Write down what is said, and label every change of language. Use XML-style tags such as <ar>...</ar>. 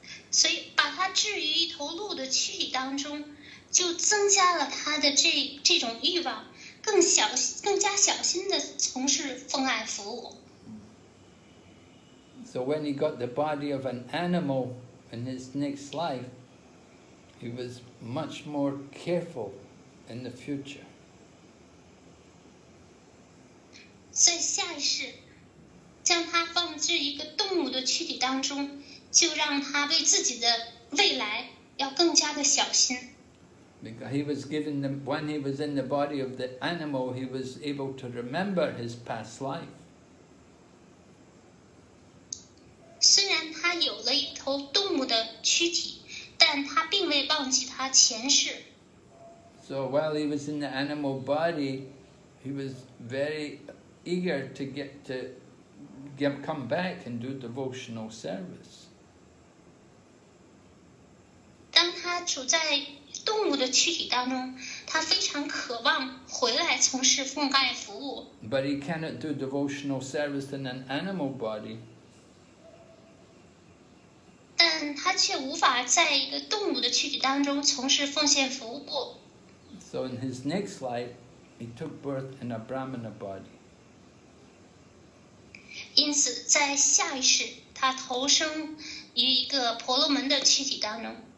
<zh>所以把他置于一头鹿的躯体当中，就增加了他的这种欲望，更加小心的从事奉爱服务。</zh> <en>So when he got the body of an animal in his next life, he was much more careful in the future.</en> <zh>所以下一世，将他放置一个动物的躯体当中。就让他为自己的未来要更加的小心。</zh> <en>Because he was given the, when he was in the body of the animal, he was able to remember his past life.</en> <zh>虽然他有了一头动物的躯体，但他并未忘记他前世。</zh> <en>So while he was in the animal body, he was very eager to come back and do devotional service.</en> <zh>当他处在动物的躯体当中，他非常渴望回来从事奉爱服务。</zh> <en>But he cannot do devotional service in an animal body.</en> <zh>但他却无法在一个动物的躯体当中从事奉献服务。</zh> <en>So in his next life, he took birth in a Brahmana body.</en> <zh>因此，在下一世，他投生于一个婆罗门的躯体当中。</zh>